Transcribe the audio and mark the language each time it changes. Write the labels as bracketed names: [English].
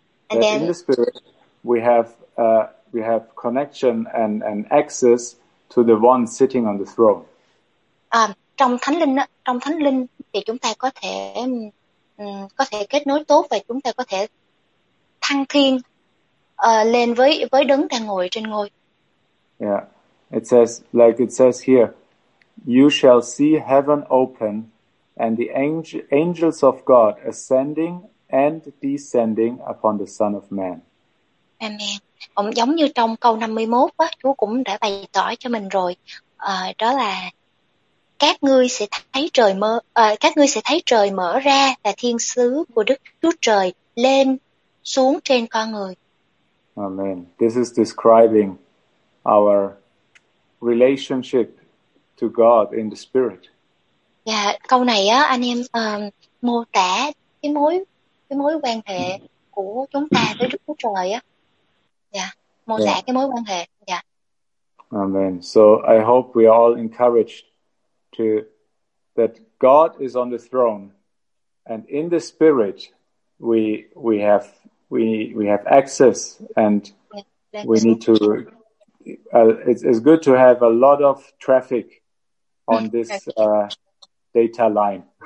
[English] And then, in the spirit we have connection and access to the one sitting on the throne. [Vietnamese] Trong thánh linh thì chúng ta có thể kết nối tốt và chúng ta có thể thăng thiên lên với đấng đang ngồi trên ngôi. Yeah. [English] It says like it says here, you shall see heaven open and the angels of God ascending and descending upon the Son of Man. Amen. [Vietnamese] Cũng giống như trong câu 51 á, Chúa cũng đã bày tỏ cho mình rồi. Đó là các ngươi sẽ thấy trời mở, các ngươi sẽ thấy trời mở ra và thiên sứ của Đức Chúa Trời lên xuống trên con người. Amen. [English] This is describing our relationship to God in the spirit. [Vietnamese] Yeah, câu này á anh em mô tả cái mối quan hệ của chúng ta với Đức Chúa Trời á. Yeah, mô tả cái mối quan hệ. Yeah. Amen. [English] So I hope we all encouraged to that God is on the throne and in the spirit we have access and we need to it's good to have a lot of traffic on this data line.